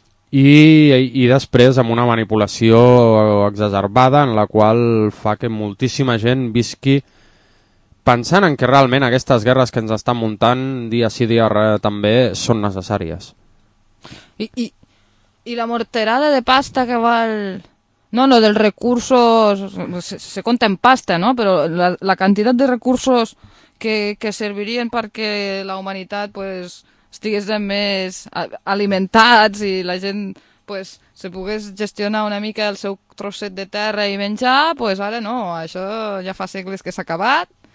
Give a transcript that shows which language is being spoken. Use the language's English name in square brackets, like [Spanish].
[Catalan] I després amb una manipulació exacerbada en la qual fa que moltíssima gent visqui pensant en que realment aquestes guerres que ens estan muntant dia sí dia també són necessàries. I la morterada de pasta que val [Spanish] No, lo del recurso se conta en pasta, ¿no? Pero la cantidad de recursos [Catalan] que servirien perquè la humanitat pues estigués més alimentats i la gent pues se pogués gestionar una mica el seu trosset de terra i menjar, pues ara no, això ja fa segles que s'ha acabat.